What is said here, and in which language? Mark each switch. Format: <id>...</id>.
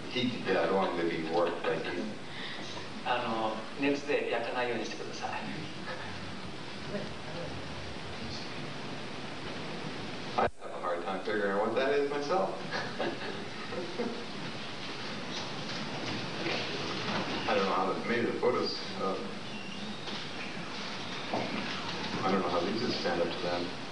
<en>Heat, yeah, I don't want to be warm, thank you.</en> <ja>熱で焼かないようにしてください。</ja> <en>I have a hard time figuring out what that is myself. I don't know how they made the photos. I don't know how these would stand up to them.</en>